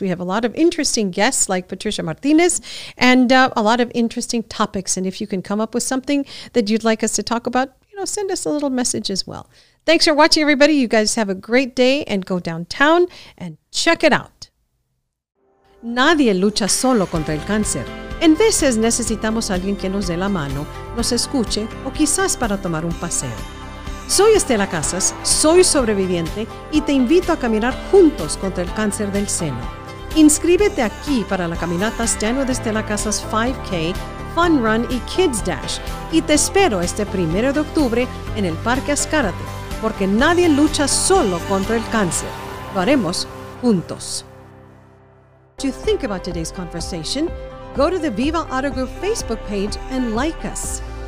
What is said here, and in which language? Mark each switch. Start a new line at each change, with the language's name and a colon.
English: We have a lot of interesting guests like Patricia Martinez, and a lot of interesting topics. And if you can come up with something that you'd like us to talk about, you know, send us a little message as well. Thanks for watching, everybody. You guys have a great day, and go downtown and check it out.
Spanish: Nadie lucha solo contra el cáncer. En veces necesitamos a alguien que nos dé la mano, nos escuche, o quizás para tomar un paseo. Soy Estela Casas, soy sobreviviente, y te invito a caminar juntos contra el cáncer del seno. Inscríbete aquí para la caminata Stand with Estela Casas 5K, Fun Run y Kids Dash. Y te espero este 1 de octubre en el Parque Azcárate, porque nadie lucha solo contra el cáncer. Lo haremos juntos.
English: What you think about today's conversation? Go to the Viva Auto Group Facebook page and like us.